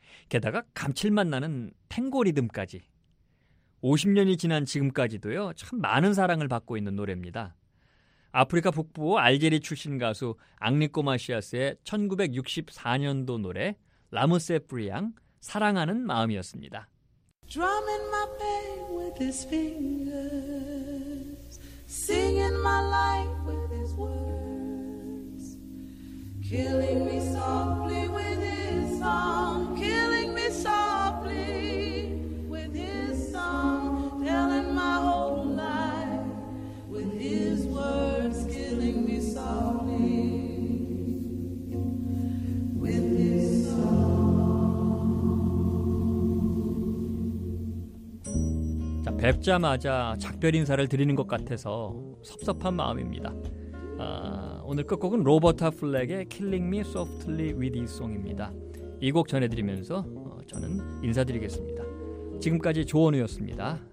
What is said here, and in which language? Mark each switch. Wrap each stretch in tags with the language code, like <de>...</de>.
<ko>게다가 감칠맛 나는 탱고 리듬까지. 50년이 지난 지금까지도요, 참 많은 사랑을 받고 있는 노래입니다. 아프리카 북부 알제리 출신 가수 앙리꼬 마시아스의 1964년도 노래 라무세 프리앙, 사랑하는 마음이었습니다.</ko> <en>Drum in my pain with his fingers, singing my life with his words, killing me softly with his song. Softly with his song, telling my whole life with his words, killing me softly with his song.</en> <ko>자, 뵙자마자 작별 인사를 드리는 것 같아서 섭섭한 마음입니다. 아, 오늘 끝곡은 로버타 플렉의 Killing Me Softly With His Song입니다. 이 곡 전해드리면서 저는 인사드리겠습니다. 지금까지 조원우였습니다.</ko>